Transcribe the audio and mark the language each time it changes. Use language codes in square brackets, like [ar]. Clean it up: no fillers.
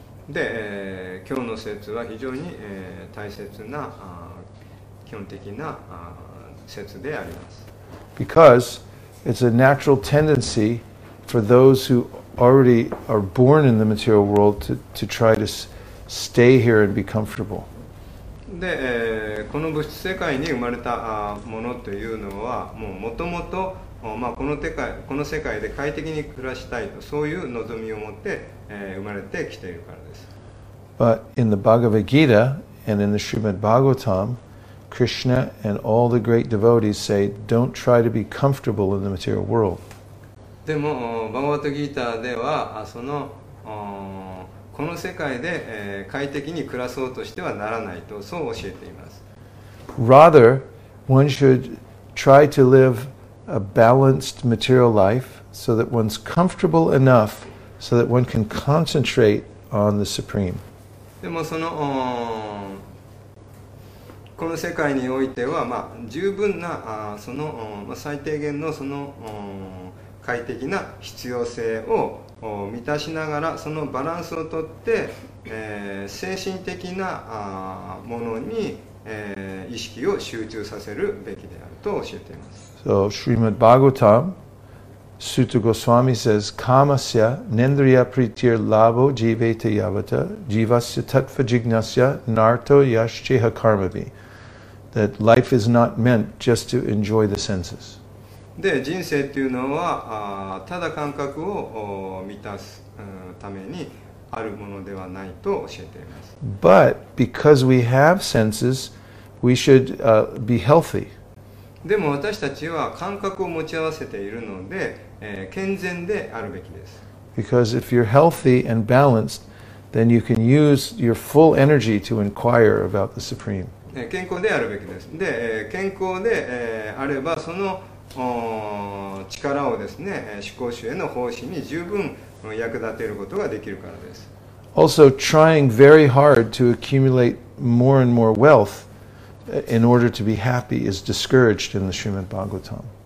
[ja] で、今日の説は非常に、大切な基本的な説であります。 [en] Because it's a natural tendency for those who already are born in the material world to try to stay here and be comfortable. [ja] で、この物質世界に生まれたものというのはもう元々、この世界で快適に暮らしたいと、そういう望みを持って、生まれてきているからです。 [en] But in the Bhagavad Gita and in the Srimad Bhagavatam, Krishna and all the great devotees say, don't try to be comfortable in the material world. [ja] でもバガヴァッド・ギーターではそのこの世界で、快適に暮らそうとしてはならないと、そう教えています。 [en] Rather, one should try to live a balanced material life so that one's comfortable enough so that one can concentrate on the Supreme. [ja] でもそのこの世界においては、十分なその最低限のその快適な必要性を満たしながら、そのバランスをとって、精神的なものに、意識を集中させるべきであると教えています。 [en] So, Srimad Bhagavatam Sutta Goswami says [sa] Kamasya Nendriya Pritir Labo Jivete Yavata Jivasya Tatva Jignasya Narto Yashcheha Karmavi, [en] that life is not meant just to enjoy the senses. [ja] で人生というのはただ感覚を満たすためにあるものではないと教えています。 [en] But because we have senses, we should be healthy. [ja] でも私たちは感覚を持ち合わせているので、健全であるべきです。 [en] Because if you're healthy and balanced, then you can use your full energy to inquire about the Supreme. [ja] 健康であるべきです。で健康で、あればその力をですね、思考主への奉仕に十分役立てることができるからです。 [en] Also, trying very hard to accumulate more and more wealth in order to be happy is discouraged in the Srimad Bhagavatam.